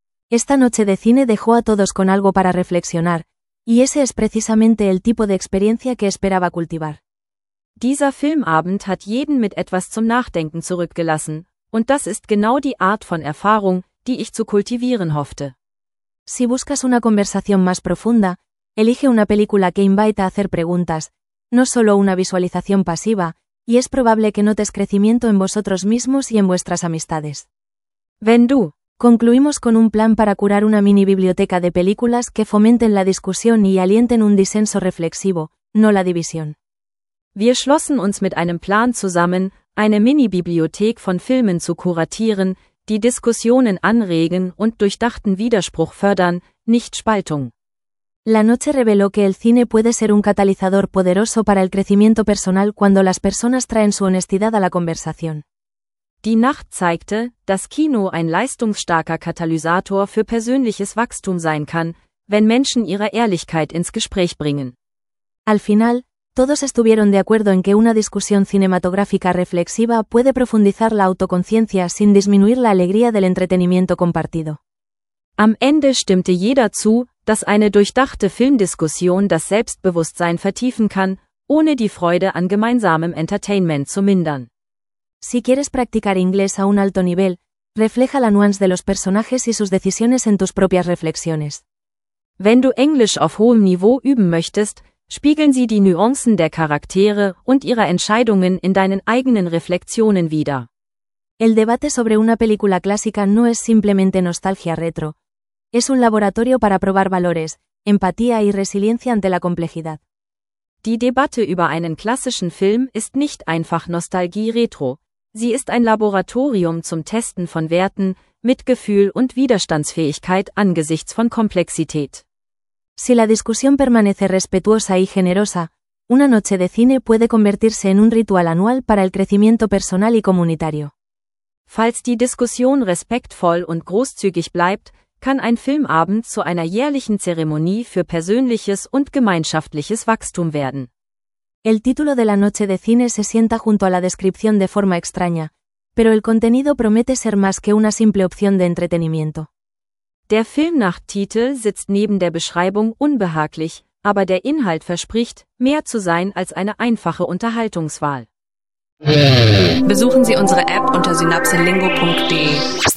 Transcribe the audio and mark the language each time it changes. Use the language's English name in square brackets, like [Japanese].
[Spanish] Esta noche de cine dejó a todos con algo para reflexionar, y ese es precisamente el tipo de experiencia que esperaba cultivar. [German] Dieser Filmabend hat jeden mit etwas zum Nachdenken zurückgelassen, und das ist genau die Art von Erfahrung, die ich zu kultivieren hoffte. [Spanish] Si buscas una conversación más profunda, elige una película que invita a hacer preguntas, no solo una visualización pasiva, y es probable que notes crecimiento en vosotros mismos y en vuestras amistades. [German] Wenn du, [Spanish] concluimos con un plan para curar una mini biblioteca de películas que fomenten la discusión y alienten un disenso reflexivo, no la división. [German] Wir schlossen uns mit einem Plan zusammen, eine Mini-Bibliothek von Filmen zu kuratieren, die Diskussionen anregen und durchdachten Widerspruch fördern, nicht Spaltung. [Spanish] La noche reveló que el cine puede ser un catalizador poderoso para el crecimiento personal cuando las personas traen su honestidad a la conversación. [German] Die Nacht zeigte, dass Kino ein leistungsstarker Katalysator für persönliches Wachstum sein kann, wenn Menschen ihre Ehrlichkeit ins Gespräch bringen. [Spanish] Al final, todos estuvieron de acuerdo en que una discusión cinematográfica reflexiva puede profundizar la autoconciencia sin disminuir la alegría del entretenimiento compartido. [German] Am Ende stimmte jeder zu, dass eine durchdachte Filmdiskussion das Selbstbewusstsein vertiefen kann, ohne die Freude an gemeinsamem Entertainment zu mindern. [Spanish] Si quieres practicar inglés a un alto nivel, refleja la nuance de los personajes y sus decisiones en tus propias reflexiones. [German] Wenn du Englisch auf hohem Niveau üben möchtest, spiegeln sie die Nuancen der Charaktere und ihrer Entscheidungen in deinen eigenen Reflexionen wider. [Spanish] El debate sobre una película clásica no es simplemente nostalgia retro. Es un laboratorio para probar valores, empatía y resiliencia ante la complejidad. [German] Die Debatte über einen klassischen Film ist nicht einfach Nostalgie retro. Sie ist ein Laboratorium zum Testen von Werten, Mitgefühl und Widerstandsfähigkeit angesichts von Komplexität. [Spanish] Si la discusión permanece respetuosa y generosa, una noche de cine puede convertirse en un ritual anual para el crecimiento personal y comunitario. [German] Falls die Diskussion respektvoll und großzügig bleibt, kann ein Filmabend zu einer jährlichen Zeremonie für persönliches und gemeinschaftliches Wachstum werden. [Spanish] El título de la noche de cine se sienta junto a la descripción de forma extraña, pero el contenido promete ser más que una simple opción de entretenimiento. [German] Der Filmnachttitel sitzt neben der Beschreibung unbehaglich, aber der Inhalt verspricht, mehr zu sein als eine einfache Unterhaltungswahl. Besuchen Sie unsere App unter synapsenlingo.de.